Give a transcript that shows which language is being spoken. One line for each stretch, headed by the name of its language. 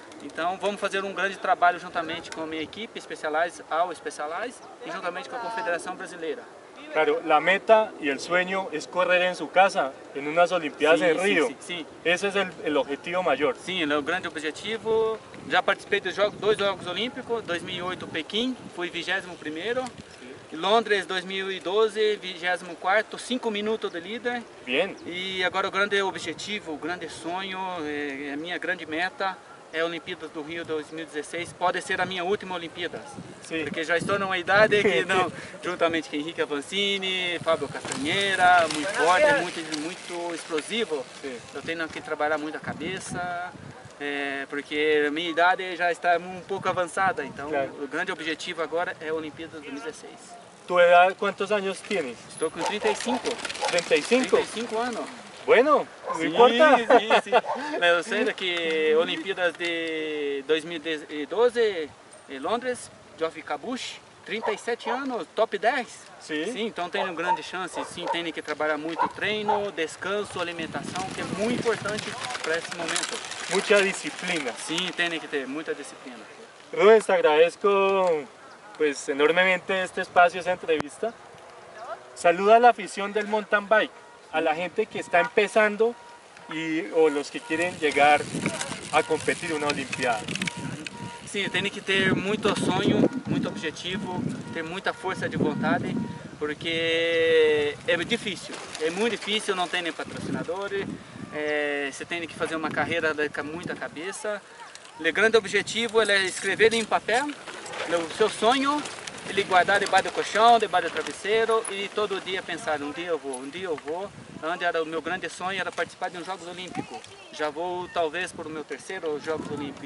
Portuguese: Então, vamos fazer um grande trabalho juntamente com a minha equipe, Specialized, e juntamente com a Confederação Brasileira. Claro, a meta e o sueño é correr em sua casa, em umas Olimpíadas em Rio. Sim, sim. Esse é o objetivo maior. Sim, é o grande objetivo. Já participei dos dois Jogos Olímpicos, 2008 Pequim, fui 21º. Sim. Londres 2012, 24º, 5 minutos de líder. Bem. E agora o grande objetivo, o grande sonho, a minha grande meta é a Olimpíadas do Rio 2016. Pode ser a minha última Olimpíadas. Sim. Porque já estou numa idade que não, juntamente com Henrique Avancini, Fábio Castanheira, muito forte, muito, muito explosivo. Sim. Eu tenho que trabalhar muito a cabeça. Porque a minha idade já está um pouco avançada, então claro, o grande objetivo agora é a Olimpíada 2016. Tua idade, quantos anos tens? Estou com 35. 35? 35 anos. Bueno, sim, não importa. Sim, sim, sim. Eu sei que Olimpíadas de 2012 em Londres, Geoff Cabush, 37 anos, top 10. Sim. Sim, então tem uma grande chance. Sim, tem que trabalhar muito treino, descanso, alimentação, que é muito importante para esse momento. Muita disciplina. Sim, tem que ter muita disciplina. Rubens, agradeço pues, enormemente este espaço, essa entrevista.
Spanish: Saluda a la afición del mountain bike, a la gente que está empezando y, o los que quieren llegar a competir una Olimpiada. Sí, tiene que tener mucho sueño, mucho objetivo, tener mucha fuerza de voluntad, porque es muy difícil, no tiene patrocinadores, se tiene que hacer una carrera con mucha cabeza. El grande objetivo es escribir en papel su sueño,
Portuguese: ele guardar debaixo do colchão, debaixo do travesseiro e todo dia pensar, um dia eu vou. Onde era o meu grande sonho era participar de um Jogos Olímpicos. Já vou talvez para o meu terceiro Jogos Olímpicos.